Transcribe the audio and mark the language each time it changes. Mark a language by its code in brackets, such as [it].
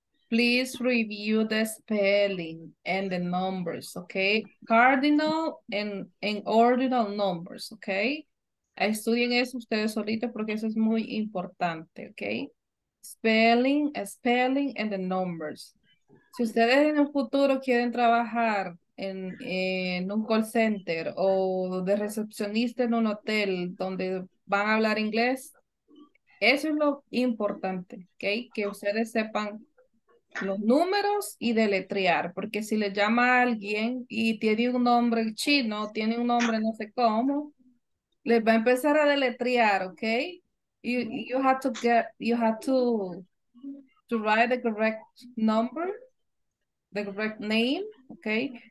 [en] Please review the spelling and the numbers, okay? Cardinal and ordinal numbers, okay? [es] Estudien eso ustedes solitos porque eso es muy importante, okay? [en] Spelling and the numbers. [es] Si ustedes en un futuro quieren trabajar en un call center o de recepcionista en un hotel donde van a hablar inglés, eso es lo importante, ¿okay? Que ustedes sepan los números y deletrear, porque si le llama a alguien y tiene un nombre chino, tiene un nombre no sé cómo, les va a empezar a deletrear, ¿okay? [en] You have to write the correct number, the correct name, okay?